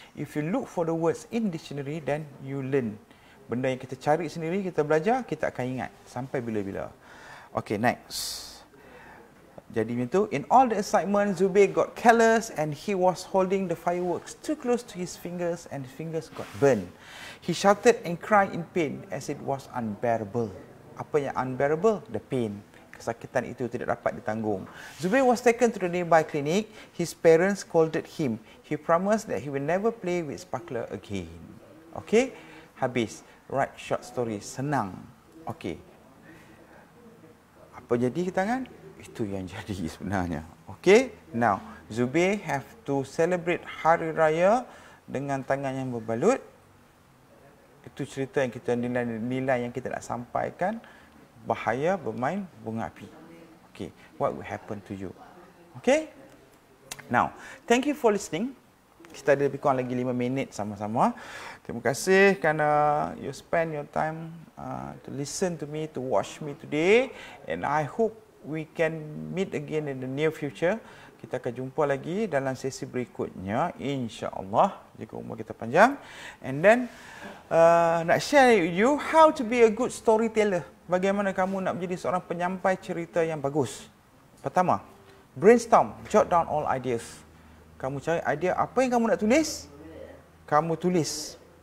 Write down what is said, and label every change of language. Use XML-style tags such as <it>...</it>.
<en>If you look for the words in dictionary, then you learn.</en> <ms>Benda yang kita cari sendiri, kita belajar, kita akan ingat sampai bila-bila.</ms> <en>Okay, next.</en> <ms>Jadi macam tu.</ms> <en>In all the excitement, Zubi got careless and he was holding the fireworks too close to his fingers and his fingers got burned. He shouted and cried in pain as it was unbearable.</en> <ms>Apa yang</ms> <en>unbearable? The pain.</en> <ms>Kesakitan itu tidak dapat ditanggung.</ms> <en>Zubi was taken to the nearby clinic. His parents scolded him. He promised that he will never play with sparkler again.</en> <ms>Okay? Habis.</ms> <en>Write short story.</en> <ms>Senang. Okay. Apa jadi ke tangan? Itu yang jadi sebenarnya. Okay?</ms> <en>Now, Zubi have to celebrate</en> <ms>hari raya dengan tangan yang berbalut. Itu cerita yang kita nilai-nilai yang kita nak sampaikan. Bahaya bermain bunga api.</ms> <en>Okay, what will happen to you? Okay? Now, thank you for listening.</en> <ms>Kita ada lebih kurang lagi 5 minit sama-sama. Terima kasih kerana</ms> <en>you spend your time to listen to me, to watch me today. And I hope we can meet again in the near future.</en> <ms>Kita akan jumpa lagi dalam sesi berikutnya, insyaAllah, jika umur kita panjang.</ms> <en>And then,</en> <ms>nak</ms> <en>share with you how to be a good storyteller.</en> <ms>Bagaimana kamu nak menjadi seorang penyampai cerita yang bagus? Pertama, brainstorm.</ms> <en>Jot down all ideas.</en> <ms>Kamu cari idea apa yang kamu nak tulis, kamu tulis.</ms>